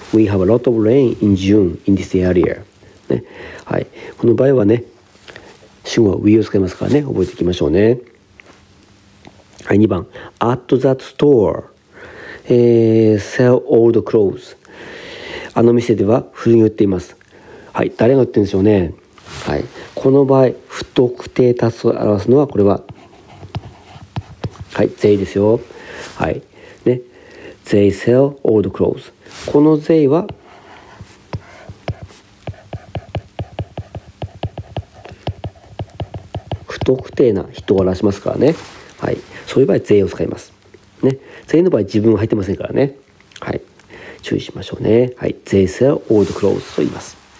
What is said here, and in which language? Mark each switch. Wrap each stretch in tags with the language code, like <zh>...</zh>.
<en>We have a lot of rain in June in this area。</en> <ja>ね、はい。この場合はね、主語は We を使いますからね、覚えていきましょうね。はい、2番。</ja> <en>At that store。 sell old clothes。</en> <ja>あの店では古着を売っています。はい、誰が売ってるんでしょうね。はい、この場合、不特定多数を表すのは、これは、はい、they ですよ。はい、ね、</ja> <en>they sell old clothes。</en> <ja>この they は、不特定な人を表しますからね。はい、そういう場合、they を使います。ね、全員の場合、自分は入ってませんからね。はい、注意しましょうね。はい、</ja> <en>They sell old clothes</en> <ja>と言います。</ja>